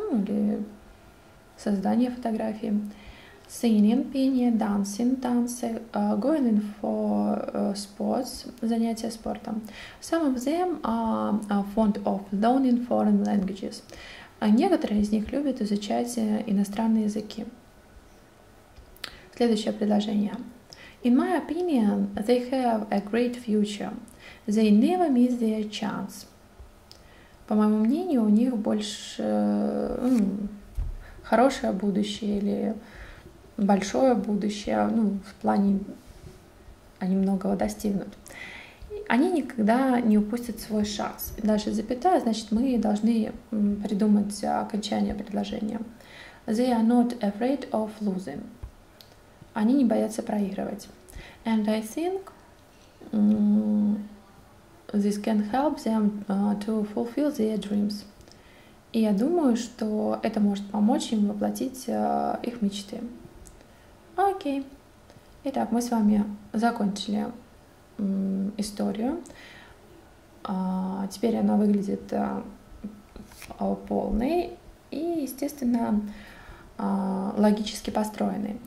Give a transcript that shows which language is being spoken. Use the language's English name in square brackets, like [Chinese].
[Russian] Или создание фотографии. [English] Singing, [Russian] пение. [English] Dancing, [Russian] танцы. [English] Going in for sports. [Russian] Занятия спортом. [English] Some of them are fond of learning foreign languages. [Russian] Некоторые из них любят изучать иностранные языки. Следующее предложение. [English] In my opinion, they have a great future. They never miss their chance. [Russian] По моему мнению, у них больше хорошее будущее или большое будущее, ну, в плане они многого достигнут. Они никогда не упустят свой шанс. Дальше запятая, значит, мы должны придумать окончание предложения. [English] They are not afraid of losing. [Russian] Они не боятся проигрывать. [English] And I think this can help them to fulfill their dreams. [Russian] И я думаю, что это может помочь им воплотить их мечты. Окей. Итак, мы с вами закончили историю. Теперь она выглядит полной и, естественно, логически построены.